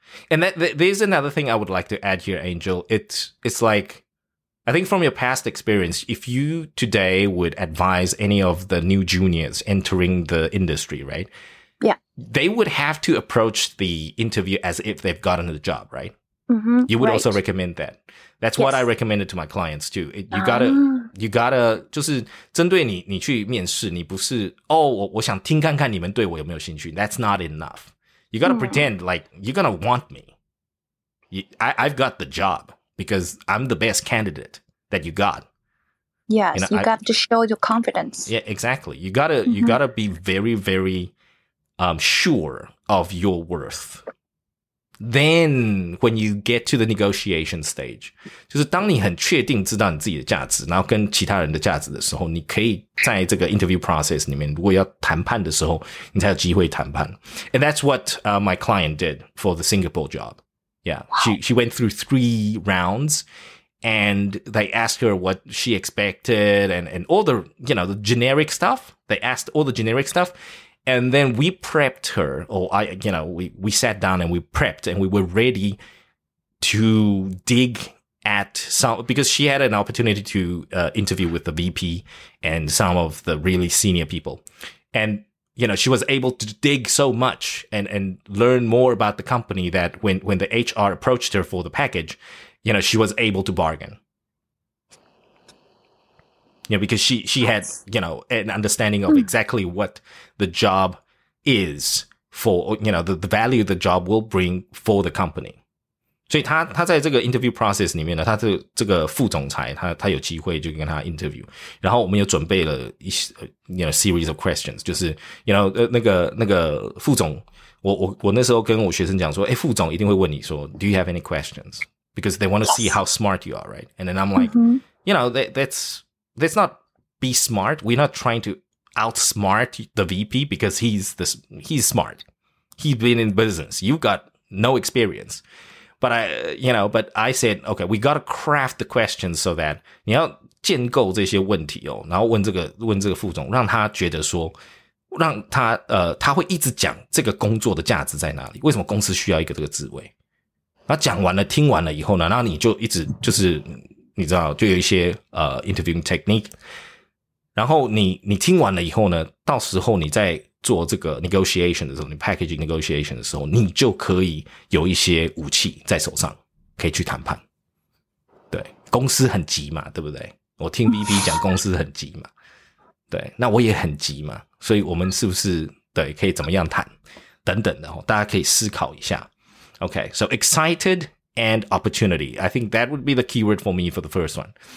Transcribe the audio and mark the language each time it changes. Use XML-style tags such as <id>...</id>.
<en>And that, there's another thing I would like to add here, Angel. It's like, I think from your past experience, if you today would advise any of the new juniors entering the industry, right? Yeah. They would have to approach the interview as if they've gotten the job, right? Mm-hmm, you would also recommend that. That's what I recommended to my clients too. You gotta</en> <zh>就是针对你，你去面试，你不是哦，我想听看看你们对我有没有兴趣。</zh> <en>That's not enough. You gotta pretend like you're gonna want me. I've got the job because I'm the best candidate that you got. Yes, you know, you got to show your confidence. Yeah, exactly. You gotta be very, very sure of your worth. Then, when you get to the negotiation stage,</en> <zh>就是当你很确定知道你自己的价值，然后跟其他人的价值的时候，你可以在这个 interview process 里面，如果要谈判的时候，你才有机会谈判。</zh> <en>And that's what my client did for the Singapore job. Yeah, she went through 3 rounds, and they asked her what she expected and all the, you know, the generic stuff. They asked all the generic stuff. And then we prepped her, we sat down and we prepped and we were ready to dig at some, because she had an opportunity to interview with the VP and some of the really senior people. And, you know, she was able to dig so much and learn more about the company that when the HR approached her for the package, you know, she was able to bargain. You know, because she had, you know, an understanding of exactly what the job is for, you know, the value the job will bring for the company.</en> <zh>所以他在这个 interview process 里面呢，他是这个副总裁，他有机会就跟他 interview. 然后我们有准备了一些</zh> <en>you know, series of questions,</en> <zh>就是 you know, 那个副总，我那时候跟我学生讲说，副总一定会问你说</zh> <en>do you have any questions? Because they want to see how smart you are, right? And then I'm like,you know, that's not be smart. We're not trying to outsmart the VP because he's smart. He's been in business. You've got no experience. But I said, okay, we got to craft the questions so that</en> <zh>你要建构这些问题哦，然后问这个副总，让他觉得说，让他他会一直讲这个工作的价值在哪里，为什么公司需要一个这个职位。那讲完了，听完了以后呢，那你就一直就是。你知道就有一些interviewing technique, 然后你听完了以后呢，到时候你在做这个 negotiation 的时候，你 packaging negotiation 的时候，你就可以有一些武器在手上可以去谈判。对，公司很急嘛，对不对？我听 VP 讲公司很急嘛，对，那我也很急嘛，所以我们是不是对可以怎么样谈等等的，大家可以思考一下。</zh> <en>OK, so excitedAnd opportunity. I think that would be the keyword for me for the first one.</en>